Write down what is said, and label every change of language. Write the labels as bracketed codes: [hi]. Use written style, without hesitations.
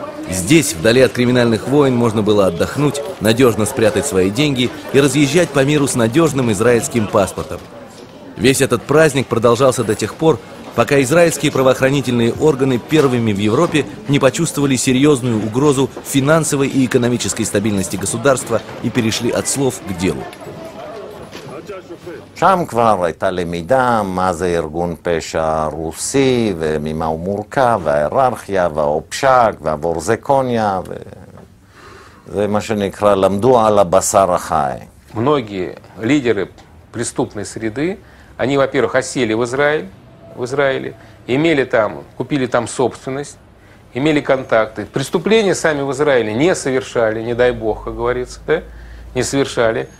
[ru] Здесь, вдали от криминальных войн, можно было отдохнуть, надежно спрятать свои деньги и разъезжать по миру с надежным израильским паспортом. Весь этот праздник продолжался до тех пор, пока израильские правоохранительные органы первыми в Европе не почувствовали серьезную угрозу финансовой и экономической стабильности государства и перешли от слов к делу. [he] שם כבר הייתה למידה מה זה ארגון פשע רוסי וממה הוא מורכב וההיררכיה והאופשק ועבור זקוניה וזה מה שנקרא למדו על הבשר החי. [ru] Многие лидеры преступной среды, они, во-первых, осели в Израиле, имели там, купили там собственность, имели контакты. Преступления сами в Израиле не совершали, не дай бог, как говорится, да? Не совершали.